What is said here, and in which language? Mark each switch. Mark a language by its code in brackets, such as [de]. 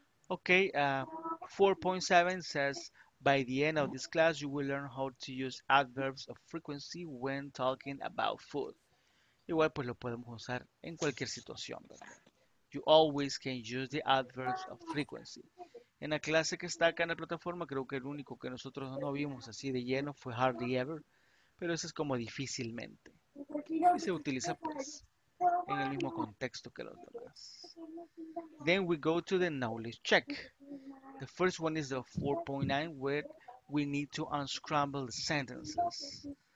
[en] Okay, 4.7 says, by the end of this class, you will learn how to use adverbs of frequency when talking about food. [es] Igual pues lo podemos usar en cualquier situación, ¿verdad? [en] You always can use the adverbs of frequency. [es] En la clase que está acá en la plataforma, creo que el único que nosotros no vimos así de lleno fue hardly ever, pero ese es como difícilmente. Y se utiliza pues en el mismo contexto que los demás. [en] Then we go to the knowledge check. The first one is the 4.9 where we need to unscramble the sentences.